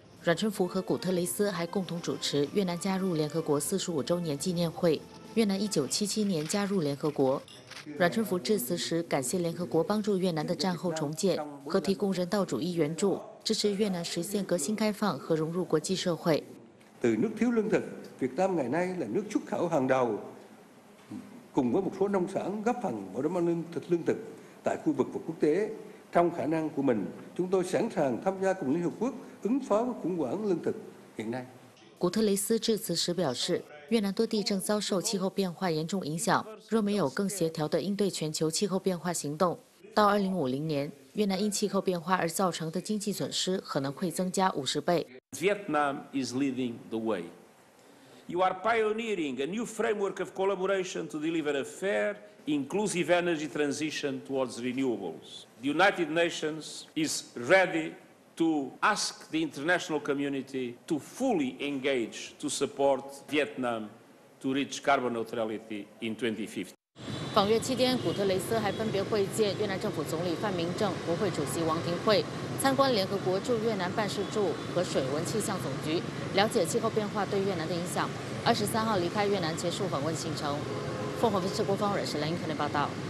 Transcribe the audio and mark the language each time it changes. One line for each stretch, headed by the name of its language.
Chinese: 阮春福和古特雷斯还共同主持越南加入联合国45周年纪念会。越南1977年加入联合国。阮春福致辞时感谢联合国帮助越南的战后重建和提供人道主义援助，支持越南实现革新开放和融入国际社会。
Vietnamese: từ nước thiếu lương thực, Việt Nam ngày nay là nước xuất khẩu hàng đầu. cùng với một số nông sản góp phần bảo đảm an ninh lương thực tại khu vực và quốc tế. Trong khả năng của mình, chúng tôi sẵn sàng tham gia cùng Liên Hợp Quốc ứng phó với khủng hoảng lương thực hiện nay.
Chinese: Cụ thể, Lý Sư Trư Sư Sư biểu thị, Việt Nam 多地正遭受气候变化严重影响，若没有更协调的应对全球气候变化行动，到2050年，越南因气候变化而造成的经济损失可能会增加50倍。
English: Vietnam is leading the way. You are pioneering a new framework of collaboration to deliver a fair, inclusive energy transition towards renewables. The United Nations is ready to ask the international community to fully engage to support Vietnam to reach carbon neutrality in 2050.
Chinese: 访越期间，古特雷斯还分别会见越南政府总理范明政、国会主席王廷惠，参观联合国驻越南办事处和水文气象总局，了解气候变化对越南的影响。23号离开越南结束访问行程。凤凰卫视郭方蕊、沈兰英台报道。